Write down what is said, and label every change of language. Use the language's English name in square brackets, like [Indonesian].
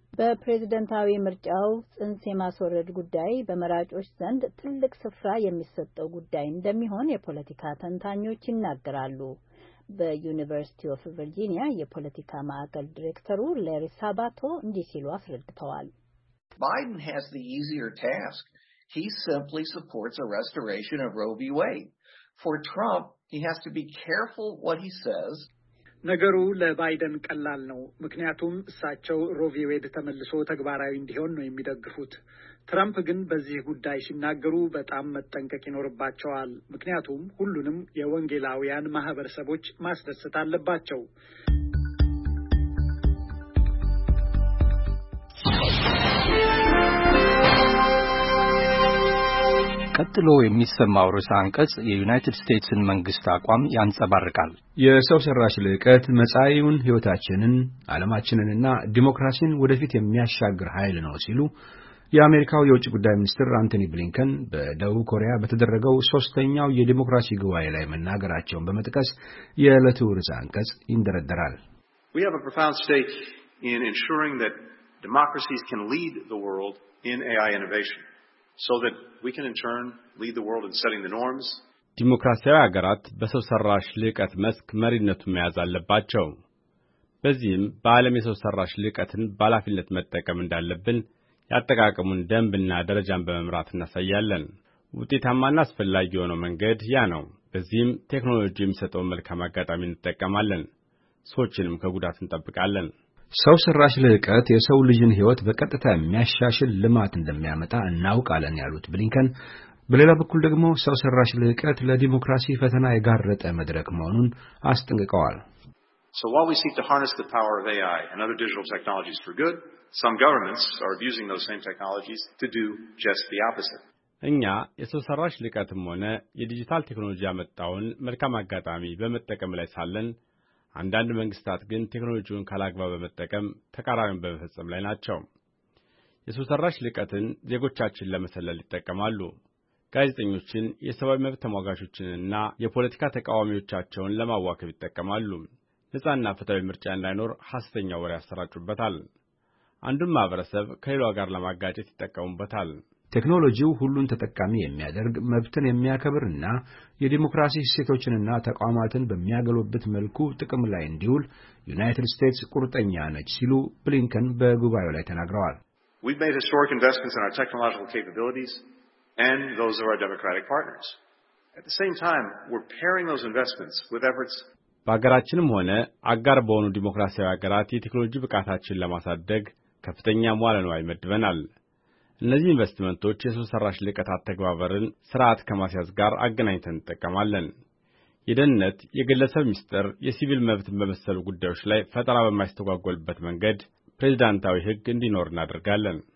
[Amharic] በፕሬዝደንታዊ ምርጫው ጽንስ የማስወረድ ጉዳይ በመራጮች ዘንድ ትልቅ ስፍራ የሚሰጠው ጉዳይ እንደሚሆን የፖለቲካ ተንታኞች ይናገራሉ። በዩኒቨርሲቲ ኦፍ ቨርጂኒያ የፖለቲካ ማዕከል ዲሬክተሩ ላሪ ሳባቶ እንዲህ ሲሉ አስረድተዋል። [English] Biden has the easier task. He simply supports a restoration of Roe v. Wade. For Trump, he has to be careful what he says. [Amharic] ነገሩ ለባይደን ቀላል ነው፣ ምክንያቱም እሳቸው ሮቪ ዌድ ተመልሶ ተግባራዊ እንዲሆን ነው የሚደግፉት። ትራምፕ ግን በዚህ ጉዳይ ሲናገሩ በጣም መጠንቀቅ ይኖርባቸዋል፣ ምክንያቱም ሁሉንም የወንጌላውያን ማህበረሰቦች ማስደሰት አለባቸው። ቀጥሎ የሚሰማው ርዕሰ አንቀጽ የዩናይትድ ስቴትስን መንግስት አቋም ያንጸባርቃል። የሰው ሰራሽ ልዕቀት መጻኢውን ህይወታችንን ዓለማችንንና ዲሞክራሲን ወደፊት የሚያሻግር ኃይል ነው ሲሉ የአሜሪካው የውጭ ጉዳይ ሚኒስትር አንቶኒ ብሊንከን በደቡብ ኮሪያ በተደረገው 3ኛው የዲሞክራሲ ጉባኤ ላይ መናገራቸውን በመጥቀስ የዕለቱ ርዕሰ አንቀጽ ይንደረደራል። [English] We have a profound stake in ensuring that democracies can lead the world in AI innovation. So that we can in turn lead the world in setting the norms. [Amharic] ዲሞክራሲያዊ ሀገራት በሰው ሰራሽ ልዕቀት መስክ መሪነቱን መያዝ አለባቸው። በዚህም በዓለም የሰው ሰራሽ ልዕቀትን ባላፊነት መጠቀም እንዳለብን ያጠቃቀሙን ደንብና ደረጃን በመምራት እናሳያለን። ውጤታማና አስፈላጊ የሆነ መንገድ ያ ነው። በዚህም ቴክኖሎጂ የሚሰጠው መልካም አጋጣሚ እንጠቀማለን። ሰዎችንም ከጉዳት እንጠብቃለን። ሰው ሰራሽ ልዕቀት የሰው ልጅን ህይወት በቀጥታ የሚያሻሽል ልማት እንደሚያመጣ እናውቃለን ያሉት ብሊንከን በሌላ በኩል ደግሞ ሰው ሰራሽ ልዕቀት ለዲሞክራሲ ፈተና የጋረጠ መድረክ መሆኑን አስጠንቅቀዋል። [English] So while we seek to harness the power of AI and other digital technologies for good, some governments are abusing those same technologies to do just the opposite. [Amharic] እኛ የሰው ሰራሽ ልዕቀትም ሆነ የዲጂታል ቴክኖሎጂ አመጣውን መልካም አጋጣሚ በመጠቀም ላይ ሳለን አንዳንድ መንግስታት ግን ቴክኖሎጂውን ካላግባብ በመጠቀም ተቃራኒውን በመፈጸም ላይ ናቸው። የሰው ሰራሽ ልዕቀትን ዜጎቻችን ለመሰለል ይጠቀማሉ። ጋዜጠኞችን፣ የሰብአዊ መብት ተሟጋቾችንና የፖለቲካ ተቃዋሚዎቻቸውን ለማዋከብ ይጠቀማሉ። ነጻና ፍትሃዊ ምርጫ እንዳይኖር ሐሰተኛ ወሬ ያሰራጩበታል። አንዱን ማህበረሰብ ከሌላው ጋር ለማጋጨት ይጠቀሙበታል። ቴክኖሎጂው ሁሉን ተጠቃሚ የሚያደርግ መብትን የሚያከብርና የዲሞክራሲ እሴቶችንና ተቋማትን በሚያገለብት መልኩ ጥቅም ላይ እንዲውል ዩናይትድ ስቴትስ ቁርጠኛ ነች ሲሉ ብሊንከን በጉባኤው ላይ ተናግረዋል። [English] We've made historic investments in our technological capabilities and those of our democratic partners. At the same time, we're pairing those investments with efforts [Amharic] በአገራችንም ሆነ አጋር በሆኑ ዲሞክራሲያዊ አገራት የቴክኖሎጂ ብቃታችንን ለማሳደግ ከፍተኛ ሟለ ንዋይ መድበናል። እነዚህ ኢንቨስትመንቶች የሰው ሰራሽ ልቀት አተግባበርን ስርዓት ከማስያዝ ጋር አገናኝተን እንጠቀማለን። የደህንነት፣ የግለሰብ ሚስጥር፣ የሲቪል መብት በመሰሉ ጉዳዮች ላይ ፈጠራ በማይስተጓጎልበት መንገድ ፕሬዝዳንታዊ ህግ እንዲኖር እናደርጋለን።